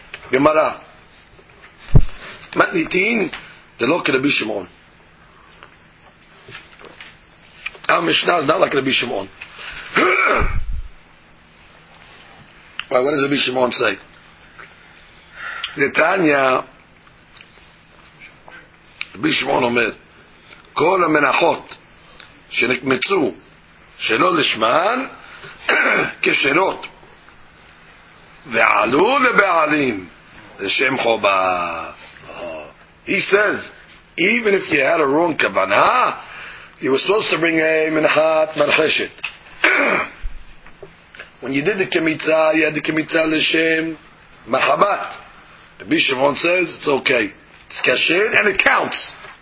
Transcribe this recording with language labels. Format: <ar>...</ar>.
<en>Gemara. Matnitin, the lo k'Rabbi Shimon. Our Mishnah is not like Rabbi Shimon. Why, what does Rabbi Shimon say? Netanya.</en> <he>רבי שמעון אומר, כל המנחות שנקמצו שלא לשמן כשרות ועלו לבעלים לשם חובה.</he> <en>He says, even if you had a wrong כוונה, you were supposed to bring a מנחת מרחשת. When you did the כמיצה, you had the כמיצה לשם מחבת. רבי שמעון says, it's okay. It's כשר and it counts.</en>